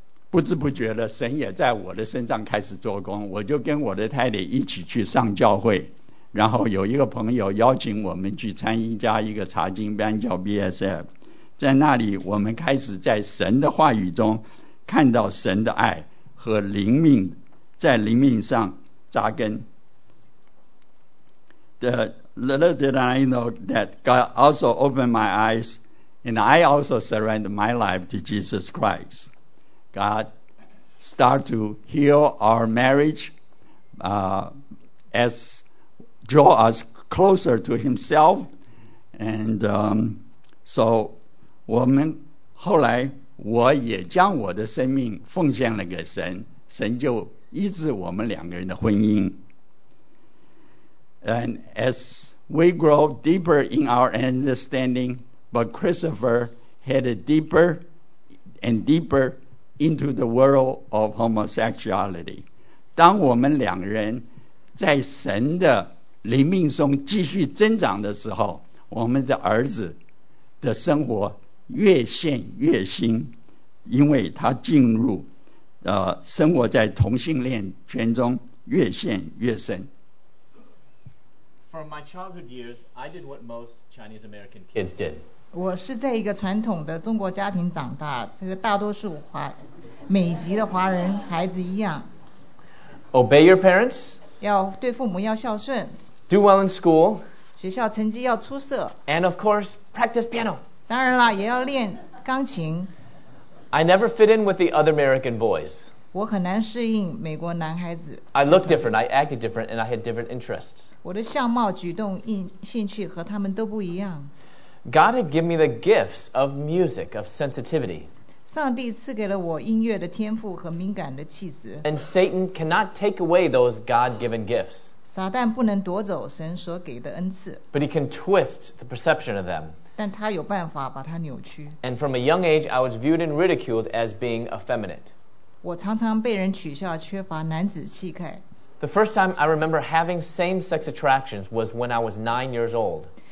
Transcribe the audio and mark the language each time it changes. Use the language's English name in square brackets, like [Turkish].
[Chinese] 不知不觉的，神也在我的身上开始做工，我就跟我的太太一起去上教会，然后有一个朋友邀请我们去参加一个查经班叫 BSF， 在那里我们开始在神的话语中看到神的爱和灵命在灵命上扎根。 [English] The little did I know that God also opened my eyes and I also surrendered my life to Jesus ChristGod started to heal our marriage, as draw us closer to Himself, and so [Chinese] 我们后来我也将我的生命奉献了给神，神就医治我们两个人的婚姻。 [English] And as we grow deeper in our understanding, but Christopher headed deeper and deeper. Into the world of homosexuality. [Chinese] 当我们两人在神的灵命中继续增长的时候，我们的儿子的生活越陷越新，因为他进入生活在同性恋圈中越陷越深。 [English] From my childhood years, I did what most Chinese American kids did. [Chinese] 我是在一个传统的中国家庭长大，这个大多数华美籍的华人孩子一样。 [English] Obey your parents. [Chinese] 要对父母要孝顺。 [English] Do well in school. [Chinese] 学校成绩要出色。 [English] And of course, practice piano. [Chinese] 当然啦，也要练钢琴。 [English] I never fit in with the other American boys. [Chinese] 我很难适应美国男孩子。 [English] I looked different, I acted different, and I had different interests. [Chinese] 我的相貌、举动、兴趣和他们都不一样。 [English] God had given me the gifts of music, of sensitivity. [Chinese] 上帝赐给了我音乐的天赋和敏感的气质。 [English] And Satan cannot take away those God-given gifts. [Chinese] 撒旦不能夺走神所给的恩赐。 [English] But he can twist the perception of them. [Chinese] 但他有办法把它扭曲。 [English] And from a young age, I was viewed and ridiculed as being effeminate. [Chinese] 我常常被人取笑缺乏男子气概。 [English] The first time I remember having same-sex attractions was when I was 9 years old.